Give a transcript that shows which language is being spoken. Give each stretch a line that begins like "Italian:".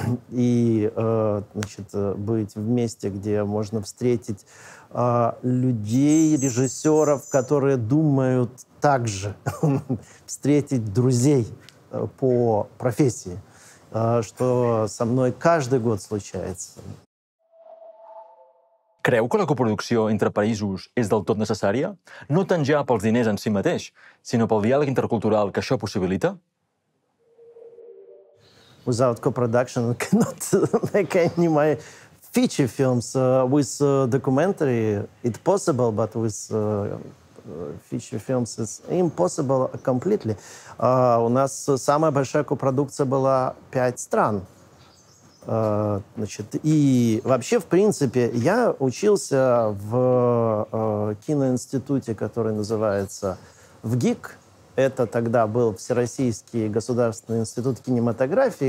Russian: И, значит, быть в месте, где можно встретить людей, режиссеров, которые думают так же, встретить друзей по профессии, что со мной каждый год случается.
Catalan: Creu que la coproducció entre països és del tot necessària? No tant ja pels diners en si mateix, sinó pel diàleg intercultural que això possibilita?
English: Without co-production, I cannot make any my feature films. With documentary, it's possible, but with feature films is impossible completely.
Russian: У нас самая большая копродукция была 5 стран. Значит, и вообще, в принципе, я учился в киноинституте, который называется ВГИК. Это тогда был Всероссийский государственный институт кинематографии.